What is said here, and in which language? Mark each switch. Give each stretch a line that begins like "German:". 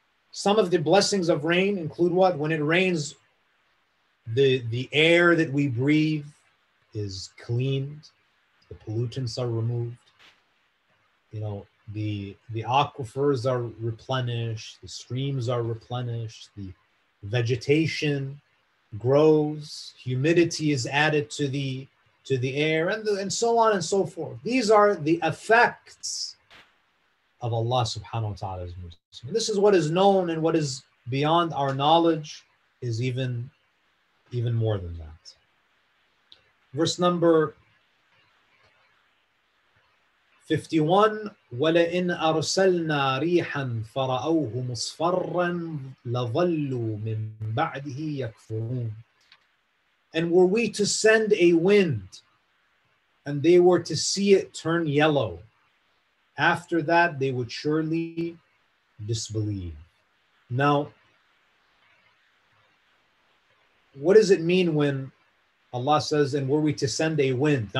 English: Some of the blessings of rain include what? When it rains, the air that we breathe is cleaned, the pollutants are removed, you know, the aquifers are replenished, the streams are replenished, the vegetation grows, humidity is added to the air, and so on and so forth. These are the effects of Allah subhanahu wa ta'ala's mercy. And this is what is known, and what is beyond our knowledge is even more than that. Verse number 51,
Arabic: وَلَئِنْ أَرْسَلْنَا رِيحًا فَرَأَوْهُ مُصْفَرًّا لَظَلُّوا مِنْ بَعْدِهِ يَكْفُرُونَ.
English: And were we to send a wind and they were to see it turn yellow, after that they would surely disbelieve. Now, what does it mean when Allah says, and were we to send a wind?